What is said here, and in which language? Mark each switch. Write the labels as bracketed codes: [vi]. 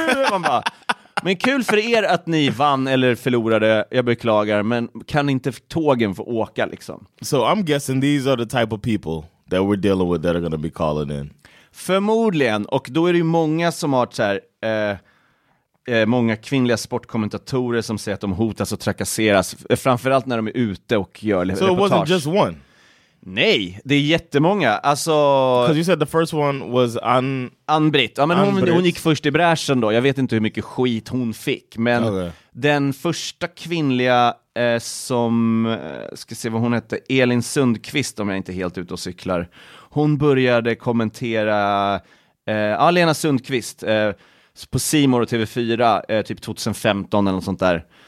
[sv] Man bara, men kul för er att ni vann eller förlorade. Jag beklagar. Men kan inte tågen få åka liksom? [en] So I'm guessing these are the type of people that we're dealing with that are gonna be calling in. [sv] Förmodligen, och då är det ju många som har så här, många kvinnliga sportkommentatorer som säger att de hotas och trakasseras, framförallt när de är ute och gör [en] reportage. So it wasn't just one? [sv] Nej, det är jättemånga. Alltså, [en] 'cause you said the first one was Ann-Britt. [sv] Ja, men hon gick först i bräschen då. Jag vet inte hur mycket skit hon fick, men den första kvinnliga som, ska se vad hon hette, Elin Sundqvist, om jag inte helt ute och cyklar. Hon började kommentera Lena Sundqvist på C-more och TV4 typ 2015 eller något sånt där.